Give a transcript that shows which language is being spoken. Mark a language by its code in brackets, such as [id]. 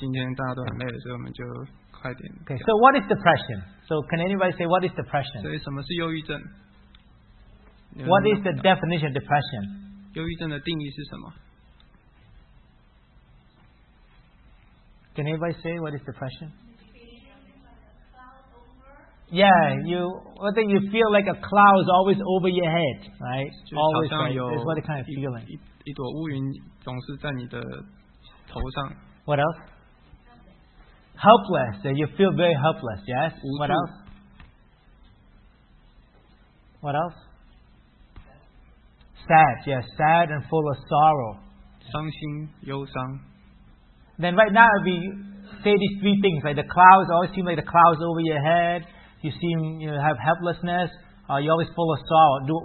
[zh] 明天早上9点到12点可能是更好的讲解忧郁症的时间,不过今天大家都很累,所以我们就快点。 [en] Okay. Okay, so what is depression? So can anybody say what is depression? [zh] 所以什么是忧郁症? [en] What is the definition of depression? [zh] 忧郁症的定义是什么? [en] Can anybody say what is depression? Yeah, you feel like a cloud is always over your head, right? Always, right? It's what a kind of feeling. [zh] 一朵乌云总是在你的头上. [en] What else? Helpless. You feel very helpless, yes? What else? What else? Sad, yes. Yeah, sad and full of sorrow. [zh] 伤心忧伤. [en] Then right now, we say these three things, like the clouds, always seem like the clouds over your head, you seem, you know, have helplessness, you're always full of sorrow.